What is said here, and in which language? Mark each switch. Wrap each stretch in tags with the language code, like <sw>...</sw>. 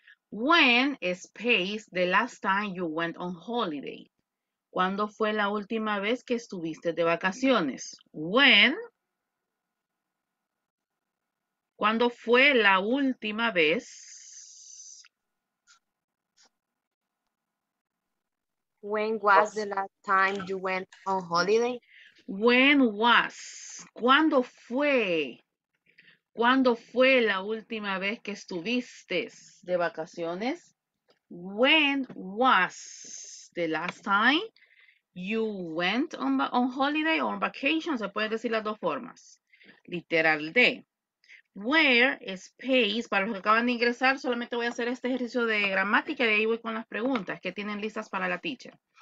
<en>When space the last time you went on holiday?</en> <es>¿Cuándo fue la última vez que estuviste de vacaciones?</es> <en>When.</en> <es>¿Cuándo fue la última vez?</es> <en>When was the last time you went on holiday?</en> <es>When was.</es> <en>¿Cuándo fue?</en> <es>¿Cuándo fue la última vez que estuviste de vacaciones?</es> <en>When was the last time you went on holiday or on vacation?</en> <es>Se puede decir las dos formas. Literal D. Where space, para los que acaban de ingresar, solamente voy a hacer este ejercicio de gramática y de ahí voy con las preguntas que tienen listas para la teacher.</es>